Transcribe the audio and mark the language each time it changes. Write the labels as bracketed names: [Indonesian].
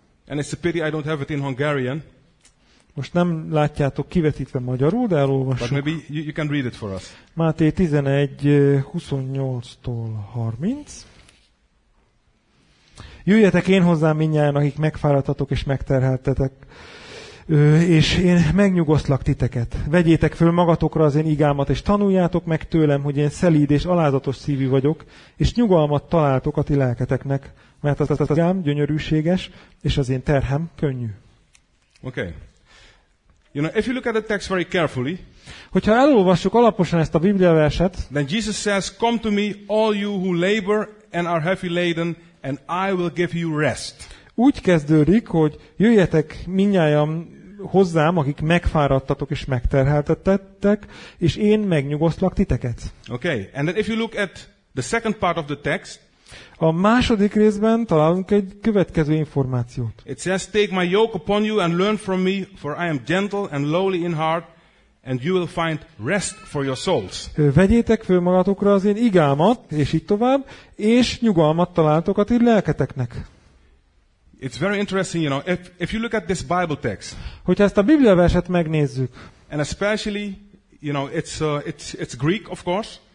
[English] And it's a pity I don't have it in Hungarian. [Hungarian] Most nem látjátok kivetítve magyarul, de elolvassuk. [English] But maybe you can read it for us. [Hungarian] Máté 11:28-30. Jöjjetek én hozzám mindnyájan, akik megfáradtatok és megterheltetek, és én megnyugosztlak titeket. Vegyétek föl magatokra az én igámat, és tanuljátok meg tőlem, hogy én szelíd és alázatos szívű vagyok, és nyugalmat találtok a ti lelketeknek, mert az igám gyönyörűséges, és az én terhem könnyű. [English] Okay. You know, if you look at the text very carefully, [Hungarian] hogyha elolvassuk alaposan ezt a bibliaverset, [English] then Jesus says, come to me all you who labor and are heavy laden, and I will give you rest. [Hungarian] Úgy kezdődik, hogy jöjjetek mindnyájan hozzám, akik megfáradtatok és megterheltettek, és én megnyugosztlak titeket. [English] Okay, and then if you look at the second part of the text, [Hungarian] a második részben találunk egy következő információt. [English] It says, take my yoke upon you and learn from me, for I am gentle and lowly in heart, and you will find rest for your souls. [Hungarian] Vegyétek föl magatokra az én igámat, és így tovább, és nyugalmat találtok a ti lelketeknek. [English] It's very interesting, you know, if you look at this Bible text. [Hungarian] Hogyha ezt a Biblia verset megnézzük. [English] And especially, you know, it's Greek, of course.